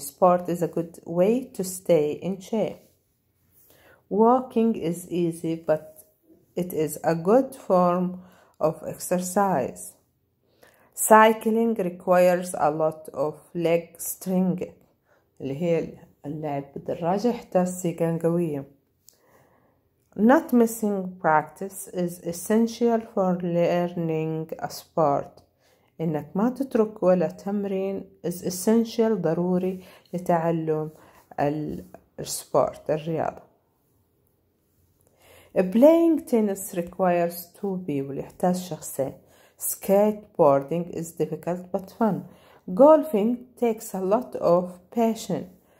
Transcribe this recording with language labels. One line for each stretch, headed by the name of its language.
English: Sport is a good way to stay in shape. Walking is easy but it is a good form of exercise. Cycling requires a lot of leg strength.
Arabic: اللي هي اللعب بالدراجة يحتاج سيقان قوية.
English: Not missing practice is essential for learning a sport.
Arabic: إنك ما تترك ولا تمرين
English: is essential
Arabic: ضروري لتعلم السبورت الرياضة.
English: Playing tennis requires two people.
Arabic: يحتاج شخصين.
English: Skateboarding is difficult but fun. Golfing takes a lot of patience.